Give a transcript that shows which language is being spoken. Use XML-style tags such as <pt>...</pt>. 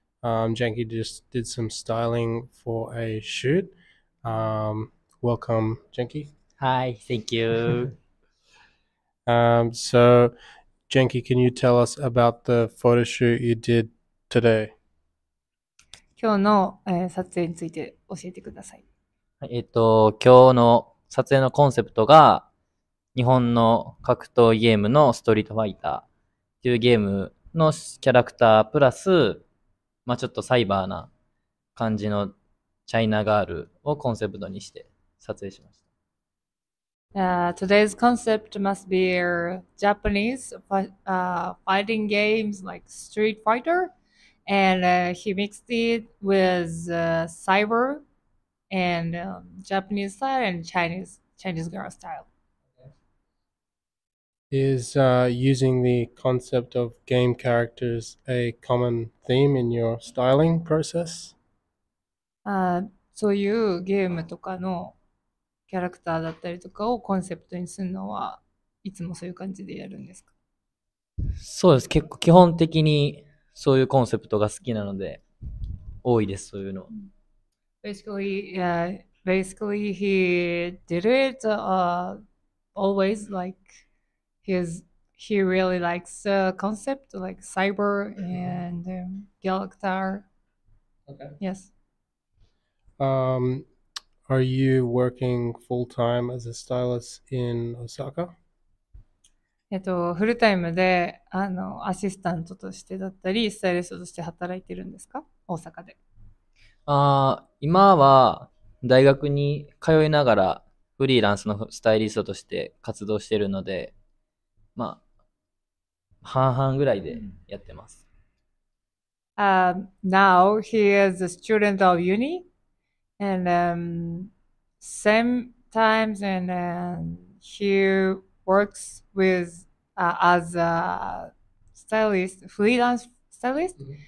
<en>Jenki just did some styling for a shoot. Welcome, Jenki. Hi, thank you. So, Jenki, can you tell us about the photo shoot you did today?</en> <ja>今日の、撮影について教えてください。今日の撮影のコンセプトが、日本の格闘ゲームのストリートファイターっていうゲームのキャラクタープラス、まあちょっとサイバーな感じのチャイナガールをコンセプトにして撮影しました。</ja> <en>Today's concept must be Japanese fighting games like Street Fighter. And he mixed it with cyber and Japanese style and Chinese girl style. Is using the concept of game characters a common theme in your styling process?</en> <ja>そういうゲームとかのキャラクターだったりとかをコンセプトにするのはいつもそういう感じでやるんですか？そうです。結構基本的にそういうコンセプトが好きなので多いです、そういうの。</ja> <en>Basically, he did it always like he really likes the concept like cyber and character. Yes. Are you working full time as a stylist in Osaka?</en> <ja>フルタイムで、アシスタントとしてだったり、スタイリストとして働いてるんですか？大阪で。今は大学に通いながらフリーランスのスタイリストとして活動してるので、まあ、半々ぐらいでやってます。</ja> <en>Now he is a student of uni and same times and he works with as a stylist, freelance stylist.</en>